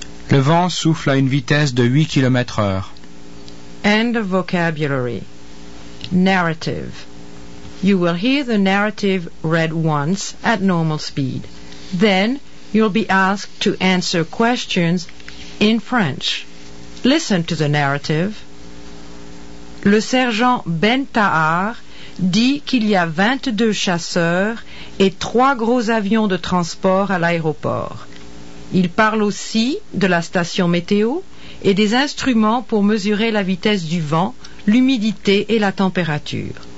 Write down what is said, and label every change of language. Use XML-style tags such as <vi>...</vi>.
<fr>Le vent souffle à une vitesse de 8 km/h.</fr> <en>End of vocabulary. Narrative. You will hear the narrative read once at normal speed. Then you'll be asked to answer questions in French. Listen to the narrative.</en> <fr>Le sergent Bentahar dit qu'il y a 22 chasseurs et 3 gros avions de transport à l'aéroport. Il parle aussi de la station météo et des instruments pour mesurer la vitesse du vent, l'humidité et la température.</fr>